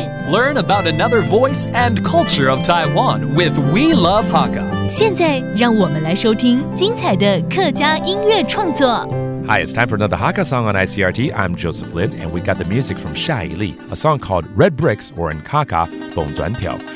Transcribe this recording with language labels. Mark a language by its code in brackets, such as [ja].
[en] Learn about another voice and culture of Taiwan with We Love Hakka. [zh] 现在让我们来收听精彩的客家音乐创作。 [en] Hi, it's time for another Hakka song on ICRT. I'm Joseph Lin, and we got the music from Xia Yili, a song called Red Bricks, or in Kaka, 风转条.